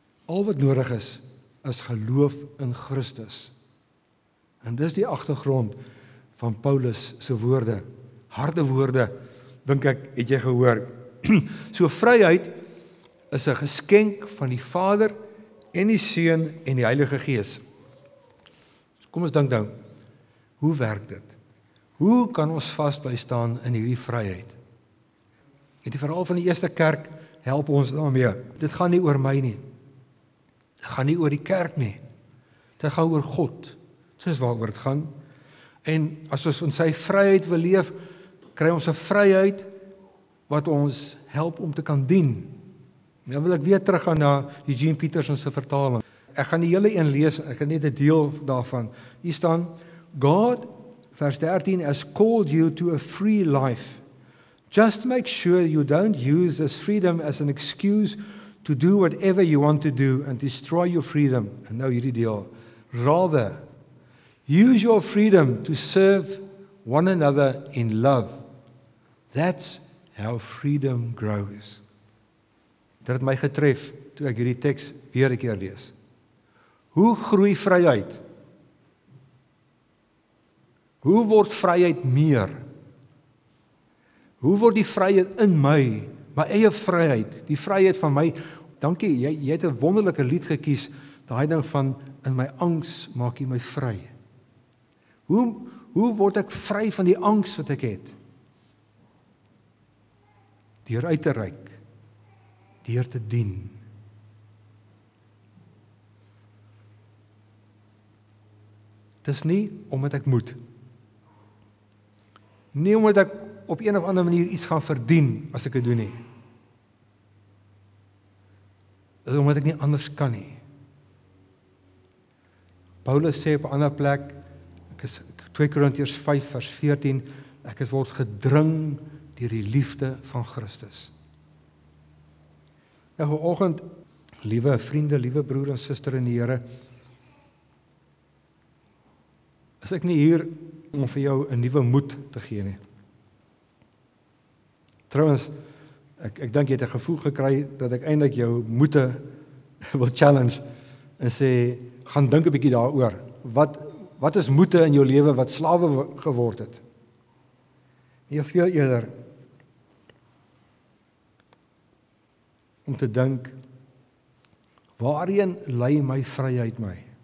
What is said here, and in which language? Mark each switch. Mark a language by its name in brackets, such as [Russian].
[Afrikaans] Al wat nodig is, is geloof in Christus. En dis die agtergrond van Paulus se woorde. Harde woorde, dink ek, het jy gehoor. So vryheid is 'n geskenk van die Vader en die Seun en die Heilige Gees. Kom ons dink nou, hoe werk dit? Hoe kan ons vasbly staan in hierdie vryheid? Het die verhaal van die eerste kerk help ons daarmee. Dit gaan nie oor my nie. Dit gaan nie oor die kerk nie. Dit gaan oor God. Soos waaroor dit gaan. En as ons in sy vryheid wil leef, kry ons 'n vryheid wat ons help om te kan dien. Nou wil ek weer teruggaan na Eugene Peterson se vertaling. Ek gaan die hele een lees, ek het net 'n deel daarvan. Hier staan, [English] God, vers 13, has called you to a free life. Just make sure you don't use this freedom as an excuse to do whatever you want to do and destroy your freedom. And now [Afrikaans] hierdie deel. [English] Rather, use your freedom to serve one another in love. That's how freedom grows. [Afrikaans] Dit het my getref toe ek hierdie teks weer 'n keer lees. Hoe groei vryheid? Hoe word vryheid meer? Hoe word die vryheid in my, my eie vryheid, die vryheid van my, dankie, jy het 'n wonderlike lied gekies, daai ding van, in my angs maak jy my vry. Hoe word ek vry van die angs wat ek het? Deur uit te reik, deur te dien. Dis nie omdat ek moet. Nie omdat ek op een of ander manier iets gaan verdien, as ek het doen nie. Dit is omdat ek nie anders kan nie. Paulus sê op 'n ander plek, ek is 2 Korintiërs 5 vers 14, ek is word gedring deur die liefde van Christus. Nou, vanoggend, liewe vriende, liewe broer en suster in die Here, is ek nie hier om vir jou 'n nuwe moed te gee nie. Trouwens, ek dink jy het 'n gevoel gekry dat ek eindelijk jou moete wil challenge en sê, gaan dink 'n bietjie daaroor. Wat is moete in jou lewe wat slawe geword het? Nie veel eerder om te dink, waarheen lei my vryheid my?